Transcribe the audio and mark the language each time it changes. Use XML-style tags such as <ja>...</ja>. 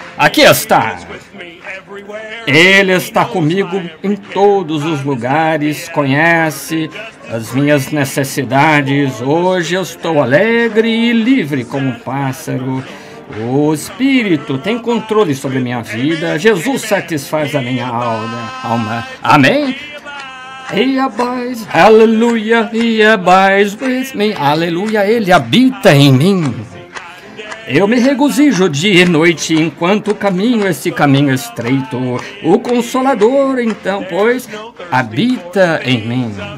<pt>Aqui está, ele está comigo em todos os lugares, conhece as minhas necessidades. Hoje eu estou alegre e livre como um pássaro. O Espírito tem controle sobre minha vida. Jesus satisfaz a minha alma. Amém?</pt> <en>He abides, hallelujah, he abides with me.</en> <pt>Aleluia, ele habita em mim. Eu me regozijo dia e noite enquanto caminho este caminho estreito. O Consolador, então, pois, habita em mim.</pt>